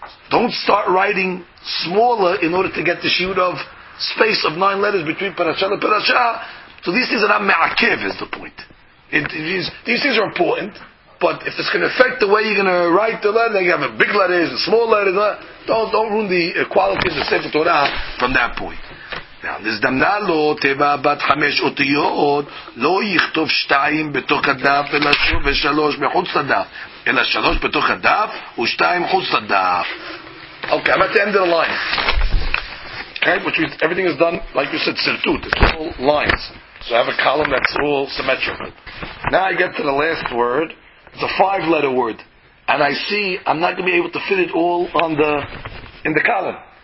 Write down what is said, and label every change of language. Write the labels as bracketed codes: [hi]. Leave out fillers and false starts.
[en] Don't start writing smaller in order to get the shiur of space of nine letters between parasha and parasha. So these things are not me'akev, is the point. These things are important, but if it's going to affect the way you're going to write the letter, then you have a big letters and small letters. Don't ruin the quality of the Sefer Torah from that point. [he] נזדמנה לו תיבה בת חמש אותיות, לא יכתוב שתיים בתוך הדף ושלוש מחוץ לדף, אלא שלוש בתוך הדף ושתיים חוץ לדף. [en] Okay, I'm at the end of the line. Okay, which means everything is done, like you said, sirtut. It's all lines. So I have a column that's all symmetrical. Now I get to the last word. It's a five-letter word. And I see I'm not going to be able to fit it all on the in the column.